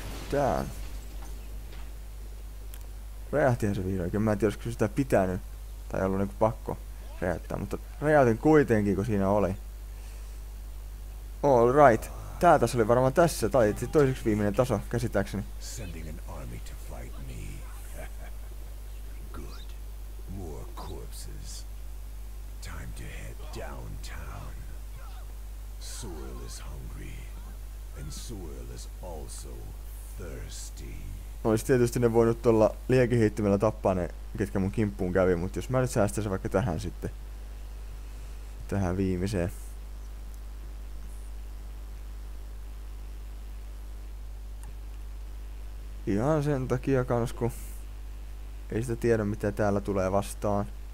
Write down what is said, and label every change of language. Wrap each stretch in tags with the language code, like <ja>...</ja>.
<fi>Tää. Räjähtihän se vihdoinkin. Mä en tiedä, olisiko sitä pitänyt. Tai ollut niinku pakko räjähtää. Mutta räjäytin kuitenkin, kun siinä oli. All right. Tää tässä oli varmaan tässä. Tää oli toiseksi viimeinen taso, käsittääkseni.</fi> <en>Sending an army to fight me. Good. More corpses. Time to head downtown. Sewell is hungry. And Sewell is also... Thirsty.</en> <fi>No olisi tietysti ne voinut olla liekin heittimellä tappaa ne, ketkä mun kimppuun kävi, mutta jos mä nyt säästäisin vaikka tähän sitten. Tähän viimeiseen. Ihan sen takia kans, kun ei sitä tiedä mitä täällä tulee vastaan.</fi>